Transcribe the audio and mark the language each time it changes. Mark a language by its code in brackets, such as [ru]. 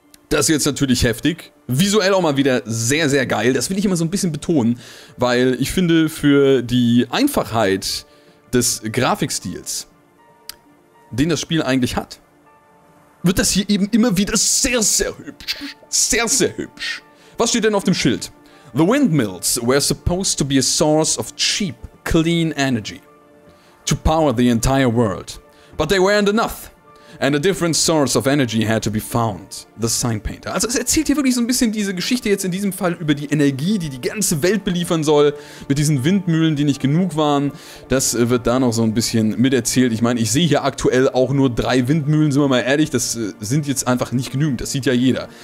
[de] Das ist jetzt natürlich heftig. Visuell auch mal wieder sehr, sehr geil. Das will ich immer so ein bisschen betonen, weil ich finde, für die Einfachheit des Grafikstils, den das Spiel eigentlich hat, wird das hier eben immer wieder sehr, sehr hübsch. Sehr, sehr hübsch. Was steht denn auf dem Schild? [en] The windmills were supposed to be a source of cheap, clean energy to power the entire world. But they weren't enough. And a different source of energy had to be found. The Sign Painter. [de] Also es erzählt hier wirklich so ein bisschen diese Geschichte jetzt in diesem Fall über die Energie, die die ganze Welt beliefern soll. Mit diesen Windmühlen, die nicht genug waren. Das wird da noch so ein bisschen miterzählt. Ich meine, ich sehe hier aktuell auch nur 3 Windmühlen, sind wir mal ehrlich. Das sind jetzt einfach nicht genügend. Das sieht ja jeder.